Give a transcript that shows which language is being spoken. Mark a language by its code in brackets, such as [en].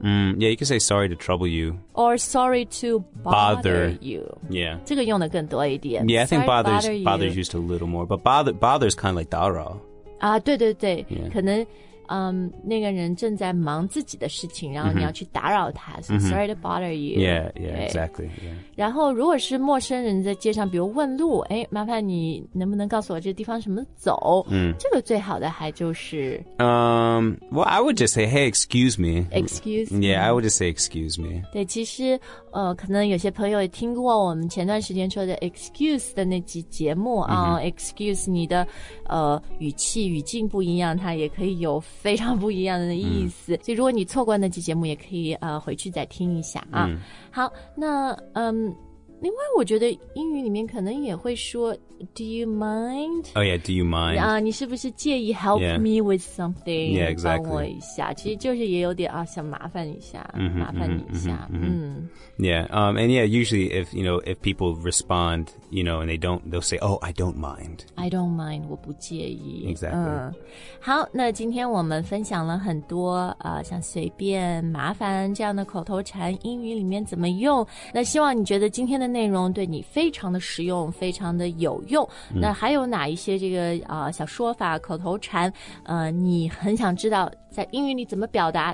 [en] Yeah, you can say sorry to trouble you. Or sorry to bother you. Yeah. [zh] 这个用的更多一点。 [en] Yeah, I think bother is used a little more. But bother is kind of like 打扰。 [zh] 啊，对对对，可能那个人正在忙自己的事情，然后你要去打扰他、mm-hmm. [en] so sorry to bother you. Yeah, yeah, exactly. Yeah. [zh] 然后如果是陌生人在街上，比如问路，哎，麻烦你能不能告诉我这地方什么走？这个最好的还就是 [en] Well, I would just say, hey, excuse me. Excuse me. Yeah, I would just say excuse me. [zh] 对，其实可能有些朋友也听过我们前段时间说的 excuse 的那集节目啊、mm-hmm. excuse 你的语气语境不一样，它也可以有非常不一样的意思、所以如果你错过那期节目也可以回去再听一下啊。好，那另外我觉得英语里面可能也会说 [en] Do you mind? Oh yeah, do you mind? [zh] 你是不是介意 help、 [en] yeah. me with something? Yeah, exactly. [zh] 帮我一下，其实就是也有点想麻烦一下、麻烦你一下、mm-hmm. [en] Yeah, and yeah, usually if, you know, if people respond, you know, and they don't, they'll say, oh, I don't mind, [zh] 我不介意。 [en] Exactly. [zh] 好，那今天我们分享了很多像随便麻烦这样的口头禅英语里面怎么用，那希望你觉得今天的内容对你非常的实用，非常的有用。那还有哪一些这个小说法、口头禅，你很想知道在英语里怎么表达？